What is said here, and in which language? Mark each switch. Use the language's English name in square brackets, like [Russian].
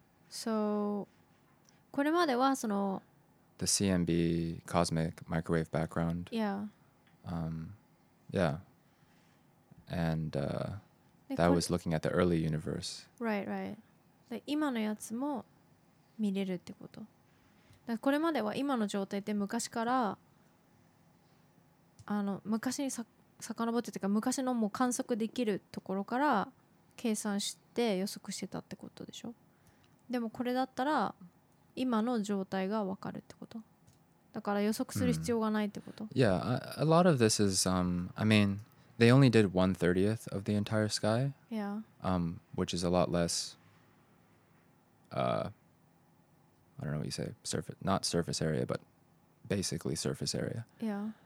[English] So, [Japanese] これまではその [English] The CMB cosmic microwave background. Yeah. And that was looking at the early universe. Right, right. [Japanese] で今のやつも見れるってこと。だからこれまでは今の状態で昔からあの昔にさかのぼってというか昔のもう観測できるところから計算して予測してたってことでしょ。でもこれだったら今の状態がわかるってこと。だから予測する必要がないってこと。 Mm. [English] Yeah, a lot of this is, I mean, they only did 1/30th of the entire sky. Yeah. Which is a lot less. I don't know what you say, not surface area, but basically surface area. Yeah.